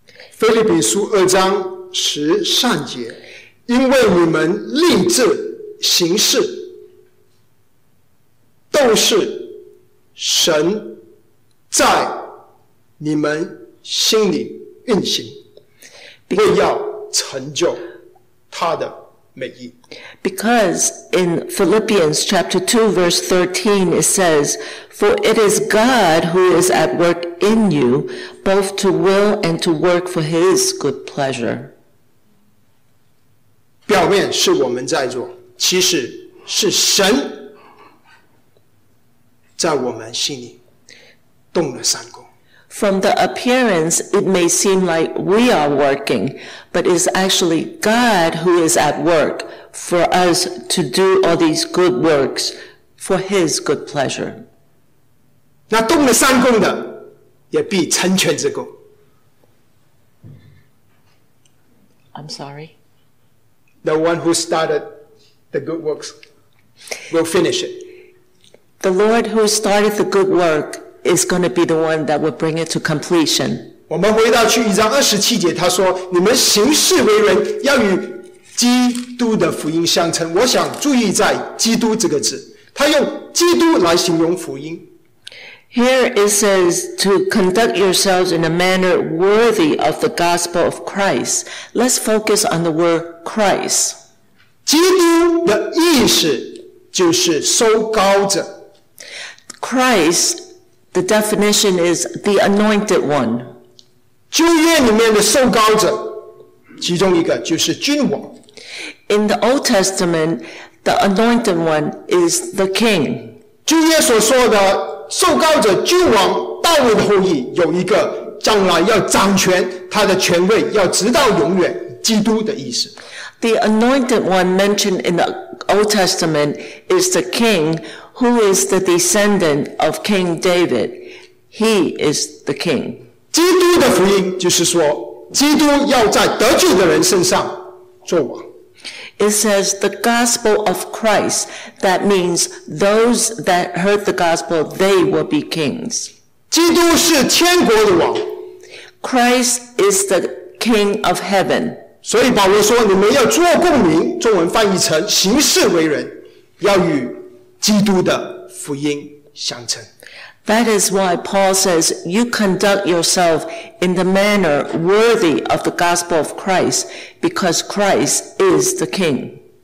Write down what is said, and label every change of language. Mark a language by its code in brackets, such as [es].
[zh] 腓立比书二章十三节，因为你们立志行事都是神在你们心里运行。为要成就他的美意。 [en] Because in Philippians chapter 2 verse 13 it says, For it is God who is at work in you, both to will and to work for his good pleasure. [zh] 表面是我们在做，其实是神在我们心里动了善工。 [en] From the appearance, it may seem like we are working, but it's actually God who is at work for us to do all these good works for His good pleasure. [zh] 那动了善工的，也必成全之功。 [en] I'm sorry? The one who started the good works will finish it. The Lord who started the good work is going to be the one that will bring it to completion. [zh] 我们回到去一章二十七节，他说：“你们行事为人要与基督的福音相称。” 我想注意在“基督”这个字，他用“基督”来形容福音。 [en] Here it says to conduct yourselves in a manner worthy of the gospel of Christ. Let's focus on the word Christ. [zh] 基督的意思就是受膏者。 [en] Christ. The definition is the anointed one. [zh] 旧约里面的受膏者，其中一个就是君王。 [en] In the Old Testament, the anointed one is the king. [zh] 旧约所说的受膏者君王，大卫的后裔有一个将来要掌权，他的权位要直到永远，基督的意思。 [en] The anointed one mentioned in the Old Testament is the king. Who is the descendant of King David? He is the king. [zh] 基督的福音就是说，基督要在得救的人身上做王。 [en] It says the gospel of Christ. That means those that heard the gospel, they will be kings. [zh] 基督是天国的王。 [en] Christ is the king of heaven. [zh] 所以保罗说，你们要做公民，中文翻译成行事为人，要与基督的福音相称。 [en] That is why Paul says, you conduct yourself in the manner worthy of the gospel of Christ, because Christ is the King.